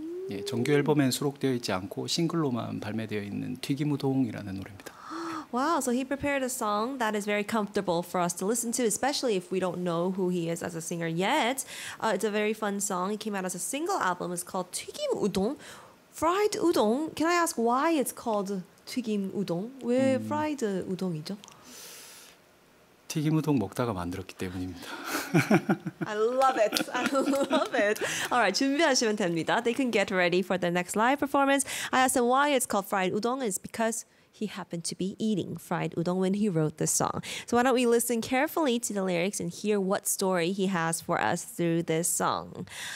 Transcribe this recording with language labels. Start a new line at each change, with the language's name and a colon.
Korean: 예, 정규 앨범엔 수록되어 있지 않고 싱글로만 발매되어 있는 튀김우동이라는 노래입니다.
English: Wow, so he prepared a song that is very comfortable for us to listen to, especially if we don't know who he is as a singer yet. It's a very fun song. It came out as a single album. It's called 튀김우동. Fried udon. Can I ask why it's called 튀김 우동?
Korean: 왜 fried udon이죠? 튀김 우동 먹다가 만들었기 때문입니다.
English: I love it. I love it. All right,
Korean: 준비하시면 됩니다.
English: They can get ready for the next live performance. I asked them why it's called fried udon. It's because he happened to be eating fried udon when he wrote this song. So why don't we listen carefully to the lyrics and hear what story he has for us through this song.